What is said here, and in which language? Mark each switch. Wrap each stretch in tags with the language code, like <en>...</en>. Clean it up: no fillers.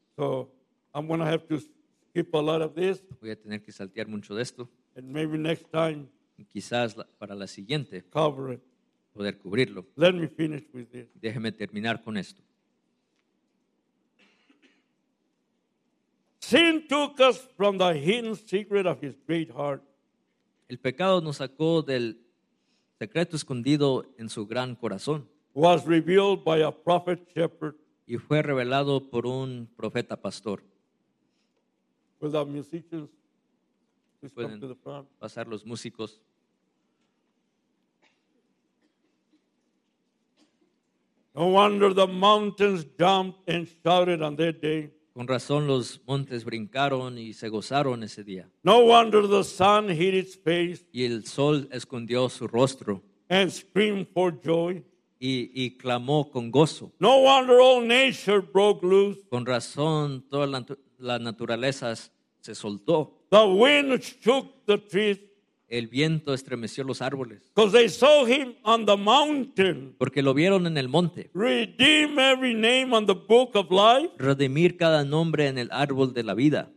<en>So I'm going to have to skip a lot of this.</en> <es>Voy a tener que saltear mucho de esto.</es> <en>And maybe next time.</en> <es>Y quizás para la siguiente.</es> <en>Cover it.</en> <es>Poder cubrirlo.</es> <en>Let me finish with this.</en> <es>Déjeme terminar con esto.</es> <en>Sin took us from the hidden secret of his great heart.</en> <es>El pecado nos sacó del secreto escondido en su gran corazón.</es> <en>Was revealed by a prophet shepherd.</en> <es>Y fue revelado por un profeta pastor.</es> <en>Will the musicians please come to the front?</en> <es>Pasar los músicos.</es> <en>No wonder the mountains jumped and shouted on that day.</en> <es>Con razón los montes brincaron y se gozaron ese día.</es> <en>No wonder the sun hid its face.</en> <es>Y el sol escondió su rostro.</es> <en>And screamed for joy.</en> <es>Y clamó con gozo.</es> <en>No wonder all nature broke loose.</en> <es>Con razón todas las naturalezas se soltó.</es> <en>The wind shook the trees.</en> <es>El viento estremeció los árboles.</es> <en>Because they saw him on the mountain.</en> <es>Porque lo vieron en el monte.</es> <en>Redeem every name on the book of life.</en> <es>Redimir cada nombre en el árbol de la vida.</es>